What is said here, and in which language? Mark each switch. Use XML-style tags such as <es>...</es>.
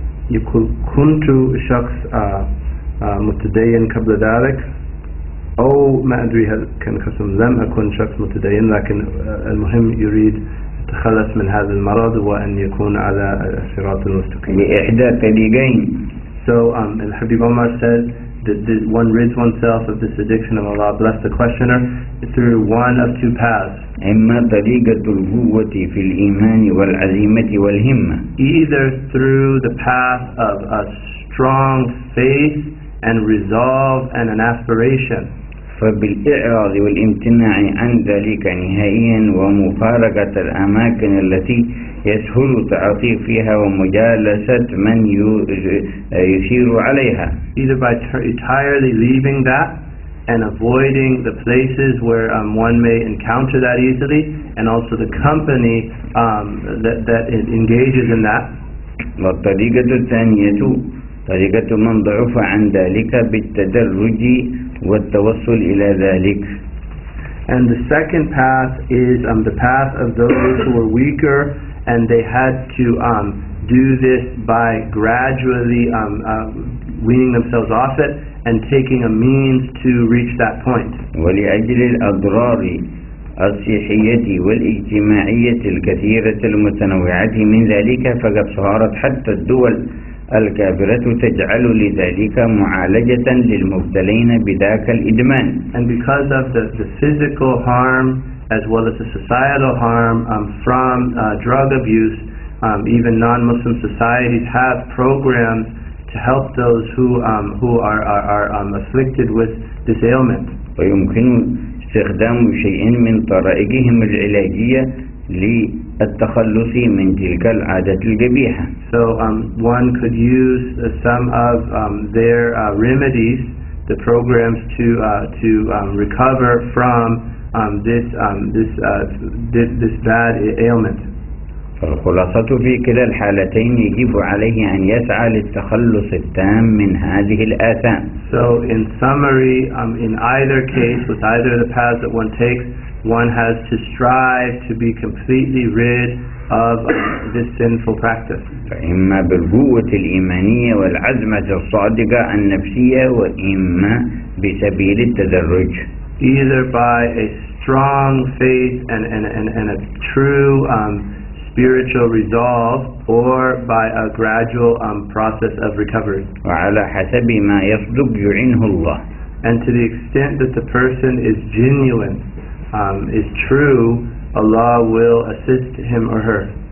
<ar>يكون كنت شخص متدين قبل ذلك أو ما أدري هل كان قسم لم أكن شخص متدين لكن المهم يريد التخلص من هذا المرض وأن يكون على الصراط المستقيم بإحدى طريقين.</ar> <en>So Habib Omar said that one rids oneself of this addiction of Allah bless the questioner through one of two paths.</en> <ar>إما طريقة القوة في الإيمان والعزيمة والهمة.</ar> <en>Either through the path of a strong faith and resolve and an aspiration.</en> <ar>فبالإعراض والامتناع عن ذلك نهائيا ومفارقة الأماكن التي يسهل تعاطي فيها ومجالسة من يثير عليها.</ar> <en>Either by entirely leaving that and avoiding the places where one may encounter that easily and also the company that engages in that.</en> <ar>والطريقة الثانية طريقة من ضعف عن ذلك بالتدرج والتوصل إلى ذلك.</ar> <en>And the second path is the path of those who were weaker and they had to do this by gradually weaning themselves off it and taking a means to reach that point.</en> <ar>ولأجل الأضرار الصحية والاجتماعية الكثيرة المتنوعة من ذلك فقد صارت حتى الدول الكافرة تجعل لذلك معالجة للمبتلين بذاك الإدمان.</ar> <en>And because of the physical harm as well as the societal harm from drug abuse, even non-Muslim societies have programs to help those who are afflicted with this ailment.</en> <ar>ويمكن استخدام شيء من طرائقهم العلاجية للتخلص من تلك العادة القبيحة.</ar> <en>So one could use some of their remedies, the programs to recover from this bad ailment.</en> <ar>فالخلاصة في كلا الحالتين يجب عليه أن يسعى للتخلص التام من هذه الآثام.</ar> <en>So in summary, in either case, with either the path that one takes, one has to strive to be completely rid of this sinful practice.</en> <ar>فإما بالقوة الإيمانية والعزمة الصادقة النفسية وإما بسبيل التدرج.</ar> <en>Either by a strong faith and a true spiritual resolve or by a gradual process of recovery.</en> <ar>وعلى حسب ما يصدق يعينه الله.</ar> <en>And to the extent that the person is genuine, is true, Allah will assist him or her.</en>